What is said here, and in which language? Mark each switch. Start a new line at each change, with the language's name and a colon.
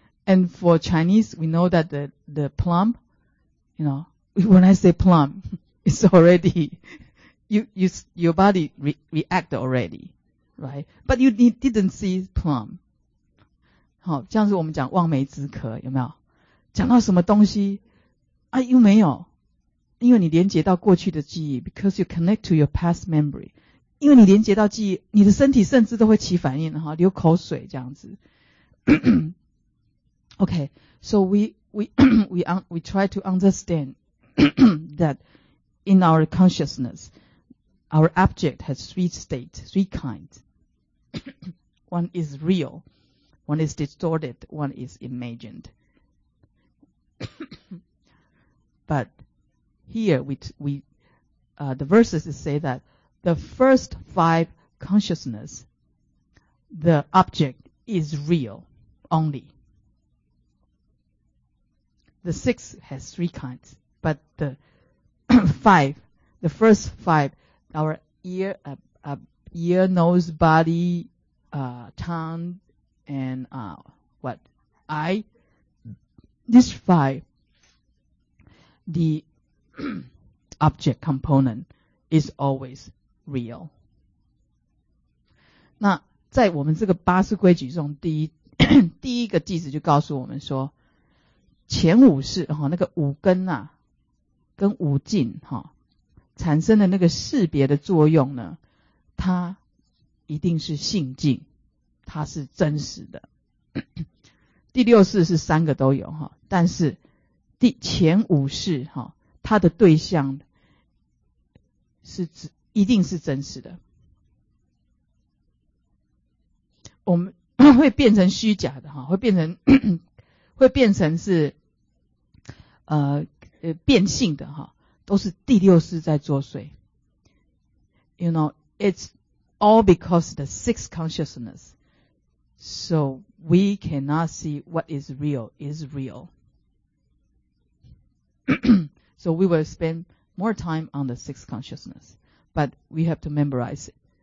English: And for Chinese, we know that the plum, you know, when I say plum, it's already, your body react already, right? But you didn't see plum.
Chinese: 好，这样子我们讲望梅止渴，有没有？讲到什么东西啊？又没有，因为你连接到过去的记忆 ，
English: because you connect to your past memory.
Chinese: 因为你连接到记忆，你的身体甚至都会起反应，哈，流口水这样子。
English: Okay, so we try to understand that in our consciousness, our object has three states, three kinds. One is real, one is distorted, one is imagined. But here the verses say that the first five consciousness, the object is real only. The six has three kinds, but the five, the first five, our ear, ear, nose, body, tongue, and eye. This five, the object component is always real.
Chinese: 那在我们这个八识规矩中，第一个句子就告诉我们说，前五识哈，那个五根啊，跟五境哈，产生的那个识别的作用呢，它一定是性境，它是真实的。第六识是三个都有哈，但是第前五识哈，它的对象是指一定是真实的。我们会变成虚假的哈，会变成是变性的哈，都是第六识在作祟。
English: You know, it's all because the sixth consciousness, so we cannot see what is real is real. So we will spend more time on the sixth consciousness, but we have to memorize it.